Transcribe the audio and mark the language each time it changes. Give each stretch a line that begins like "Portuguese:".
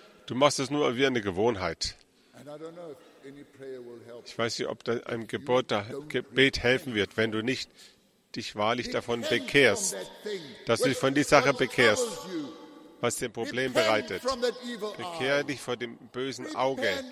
German: Du machst es nur wie eine Gewohnheit.
English: And I don't know if any prayer will help.
German: Ich weiß nicht, ob da ein Gebet helfen wird, wenn du nicht dich wahrlich davon bekehrst, dass du dich von dieser Sache bekehrst, was dir ein Problem bereitet. Bekehre dich vor dem bösen Auge.